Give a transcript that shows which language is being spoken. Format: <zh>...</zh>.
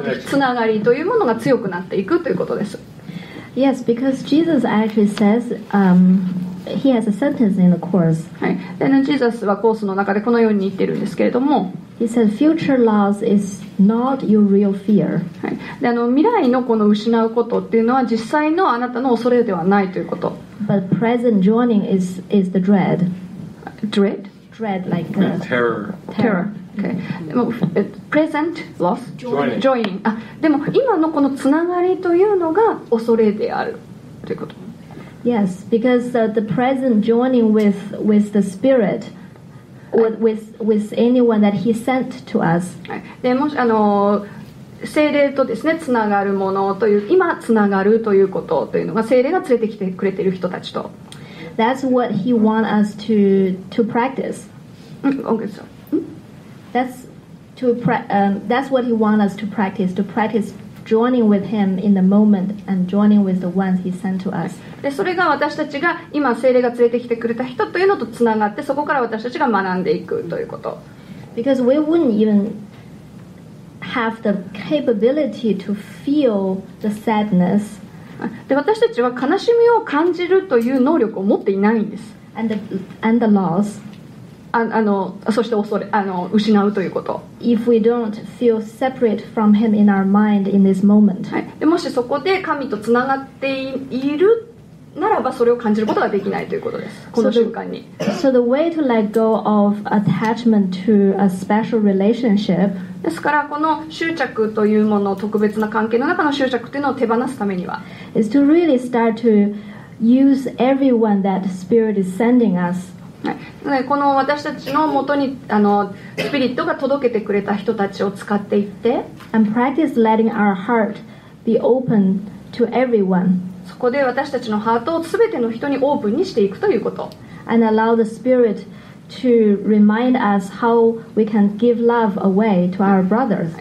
<ja>つながりというものが強くなっていくということです。</ja> <en>Yes, because Jesus actually says, he has a sentence in the course.</en> <ja>はい。で、Jesus はコースの中でこのように言っているんですけれども。</ja> <en>He said, future loss is not your real fear.</en> <ja>はい。で、未来のこの失うことっていうのは実際のあなたの恐れではないということ。</ja> <en>But present joining is the dread. Dread? Dread, like terror. Terror. Okay. Mm-hmm. Present loss? Joining.</en> <ja>あ、でも今のこのつながりというのが恐れであるということ。</ja> <en>Yes, because the present joining with the spirit or with anyone that he sent to us.</en> <ja>でもし聖霊とですねつながるものという今つながるということというのが聖霊が連れてきてくれている人たちと。</ja> <en>That's what he want us to practice. Okay, so. That's what he want us to practice joining with him in the moment and joining with the ones he sent to us.</en> <ja>で、それが私たちが今聖霊が連れてきてくれた人というのとつながって、そこから私たちが学んでいくということ。</ja> <en>Because we wouldn't even have the capability to feel the sadness.</en> <ja>で、私たちは悲しみを感じるという能力を持っていないんです。</ja> <en>And the loss.</en> <ja>そして恐れ、失うということ。</ja> <en>If we don't feel separate from him in our mind in this moment.</en> <ja>はい。で、もしそこで神とつながっているならばそれを感じることができないということです。この瞬間に。</ja> <en>So the way to let go of attachment to a special relationship.</en> <ja>ですからこの執着というものを特別な関係の中の執着というのを手放すためには。</ja> <en>Is to really start to use everyone that spirit is sending us.</en> <ja>はい、この私たちのもとにスピリットが届けてくれた人たちを使っていって</ja> <en>And practice letting our heart be open to everyone.</en> <ja>そこで私たちのハートを全ての人にオープンにしていくということ</ja> <en>And allow the spirit to remind us how we can give love away to our brothers.、は</en>